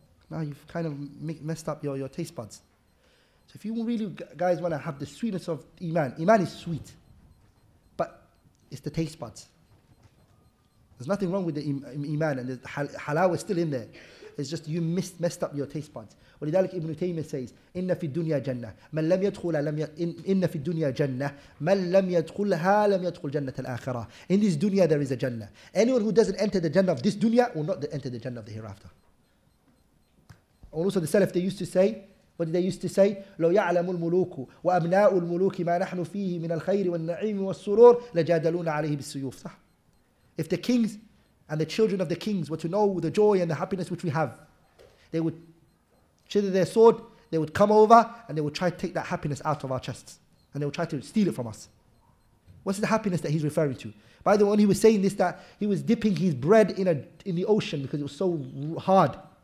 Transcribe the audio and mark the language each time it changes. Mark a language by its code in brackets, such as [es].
[en] Now you've kind of messed up your taste buds. So if you really guys want to have the sweetness of Iman is sweet, but it's the taste buds. There's nothing wrong with the iman, and the halawa is still in there. It's just you messed up your taste buds. [ar] ولذلك ابن تيميه says ان في الدنيا جنه من لم يدخلها لم ان في الدنيا جنه من لم يدخلها لم يدخل جنه الاخره. [en] In this dunya there is a jannah. Anyone who doesn't enter the jannah of this dunya will not enter the jannah of the hereafter. Also the salaf, they used to say, what did they used to say? [ar] لو يعلم الملوك وابناء الملوك ما نحن فيه من الخير والنعيم والسرور لجادلونا عليه بالسيوف. صح. [en] If the kings and the children of the kings were to know the joy and the happiness which we have, they would shither their sword, they would come over and they would try to take that happiness out of our chests. And they would try to steal it from us. What's the happiness that he's referring to? By the way, when he was saying this, that he was dipping his bread in the ocean because it was so hard.